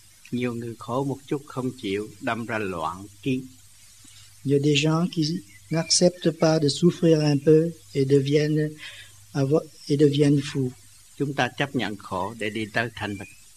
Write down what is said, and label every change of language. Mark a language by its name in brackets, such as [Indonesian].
[Vietnamese] Nhiều người khổ một chút không chịu, đâm ra loạn kiến. [French] Il y a des gens qui n'acceptent pas de souffrir un peu et deviennent fous. [Vietnamese] Chúng ta chấp nhận khổ để đi tới thanh bình.